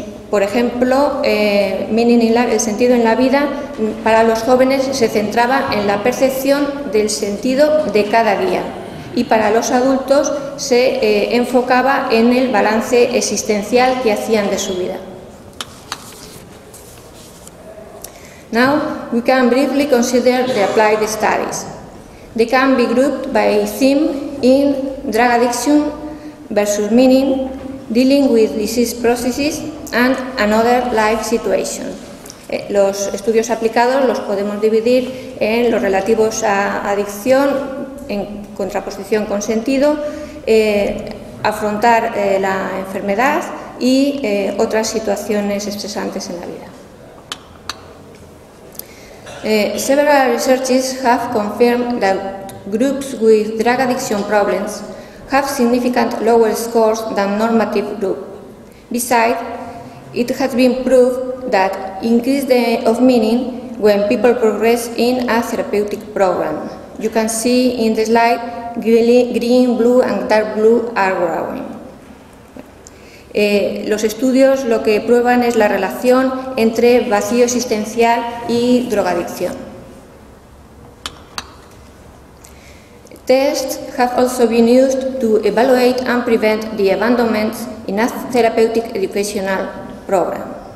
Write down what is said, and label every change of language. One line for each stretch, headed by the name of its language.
Spanish: Por ejemplo, el sentido en la vida para los jóvenes se centraba en la percepción del sentido de cada día y para los adultos se enfocaba en el balance existencial que hacían de su vida.
English: Now we can briefly consider the applied studies. They can be grouped by theme in drug addiction versus meaning, dealing with disease processes and another life situation.
Spanish: Los estudios aplicados los podemos dividir en los relativos a adicción en contraposición con sentido, afrontar la enfermedad y otras situaciones estresantes en la vida.
English: Several researches have confirmed that groups with drug addiction problems have significant lower scores than normative group. Besides, it has been proved that increase the of meaning when people progress in a therapeutic program. You can see in the slide green, blue and dark blue are growing.
Spanish: Los estudios lo que prueban es la relación entre vacío existencial y drogadicción.
English: Tests have also been used to evaluate and prevent the abandonment in a therapeutic educational program.